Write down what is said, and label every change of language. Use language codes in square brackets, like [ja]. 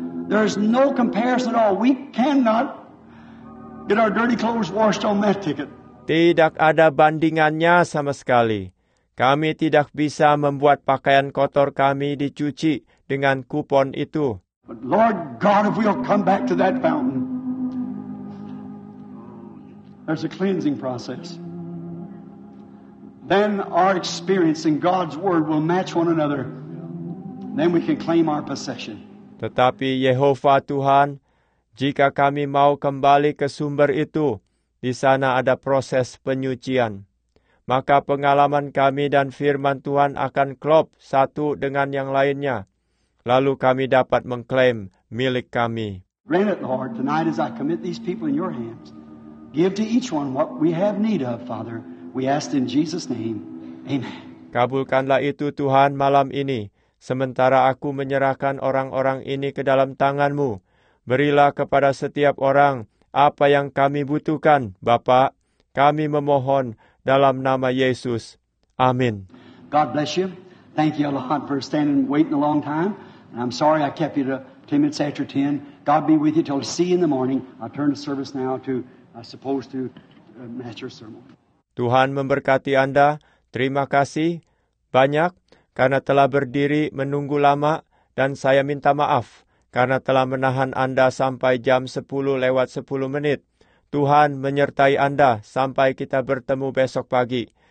[en] There's no comparison at all. We cannot get our dirty clothes washed on that ticket. [id] Tidak ada bandingannya sama sekali. Kami tidak bisa membuat pakaian kotor kami dicuci dengan kupon itu. [en] But Lord God, if we'll come back to that fountain, there's a cleansing process. Then our experience in God's word will match one another. Then we can claim our possession. [id] Tetapi Yehova Tuhan, jika kami mau kembali ke sumber itu, di sana ada proses penyucian. Maka pengalaman kami dan firman Tuhan akan klop satu dengan yang lainnya. Lalu kami dapat mengklaim milik kami. [en] Grant it, Lord, tonight as I commit these people in your hands. Give to each one what we have need of, Father. We ask in Jesus' name. Amen. [id] Kabulkanlah itu, Tuhan, malam ini. Sementara aku menyerahkan orang-orang ini ke dalam tangan-Mu. Berilah kepada setiap orang apa yang kami butuhkan, Bapa. Kami memohon dalam nama Yesus. Amin. [en] God bless you. Thank you a lot for standing and waiting a long time. And I'm sorry I kept you to 10 minutes after 10. God be with you till I see you in the morning. I turn the service now to, I suppose, to master sermon. [id] Tuhan memberkati Anda. Terima kasih banyak. karena telah berdiri menunggu lama, dan saya minta maaf karena telah menahan Anda sampai jam 10 lewat 10 menit. Tuhan menyertai Anda sampai kita bertemu besok pagi.